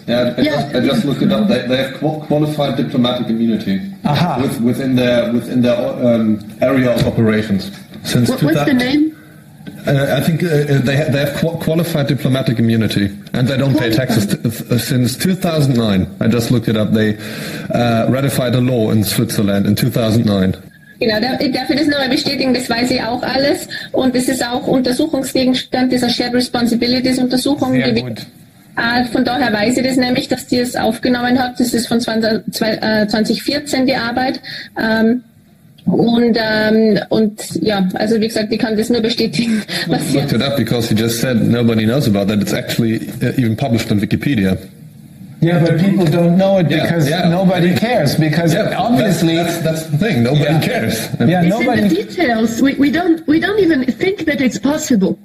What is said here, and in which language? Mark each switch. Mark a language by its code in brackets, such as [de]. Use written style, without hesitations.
[en] I just looked it up. They have qualified diplomatic immunity. Aha. Within their area of operations. What's the name? I think they have qualified diplomatic immunity, and they don't pay taxes since 2009. I just looked it up. They ratified a law in Switzerland in 2009. [de] Genau, ich darf das nochmal bestätigen, das weiß ich auch alles. Und es ist auch Untersuchungsgegenstand dieser Shared Responsibilities Untersuchung. Sehr gut. Von daher weiß ich das nämlich, dass die es aufgenommen hat. Das ist von 2014 die Arbeit. Und wie gesagt, ich kann das nur bestätigen. [en] Was you looked it up because you just said nobody knows about that. It's actually even published on Wikipedia. Yeah, but people don't know it because nobody cares. Because obviously that's the thing. Nobody cares. Yeah, nobody. It's in the details. We don't even think that it's possible.